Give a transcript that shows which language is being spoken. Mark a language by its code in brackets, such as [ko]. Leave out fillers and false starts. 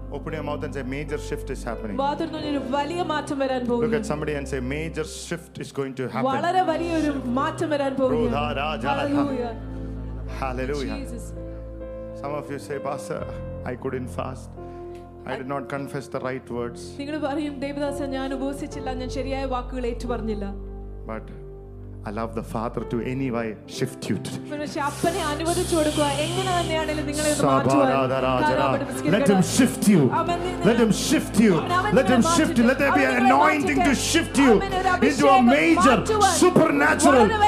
[en] Open your mouth and say, major shift is happening. Look at somebody and say, major shift is going to happen. Hallelujah. Hallelujah. Jesus. Some of you say, Pastor, I couldn't fast. I did not confess the right words. [ml] നിങ്ങള് പറയും ദേവദാസൻ ഞാൻ ഉപവസിച്ചില്ല ഞാൻ ശരിയായ വാക്കുകൾ ഏറ്റു പറഞ്ഞില്ല. [en] But I love the father to anyway shift you today. [ml] പക്ഷേ അപ്പനെ അനുവദിച്ചു കൊടുക്കുക എങ്ങനെയാണെങ്കിലും നിങ്ങളെ ഒന്ന് മാറ്റുവാൻ. [en] Let him shift you. Let him shift you. Let him shift you. Let there be an anointing to shift you into a major supernatural.